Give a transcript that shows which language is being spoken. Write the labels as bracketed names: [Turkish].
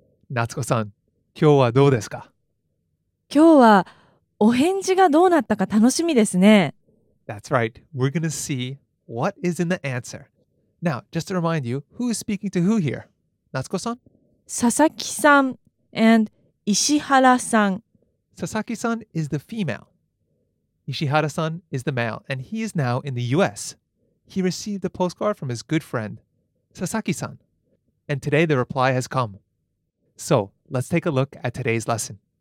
[Japanese] 夏子さん、今日はどうですか？今日はお返事がどうなったか楽しみですね。 [English] That's right. We're gonna see what is in the answer. Now, just to remind you, who is speaking to who here? [Japanese] 夏子さん？ [English] 佐々木さん and 石原さん。佐々木さん is the female. 石原さん is the male, and he is now in the U.S. He received a postcard from his good friend, Sasaki-san. And today the reply has come. So, let's take a look at today's lesson.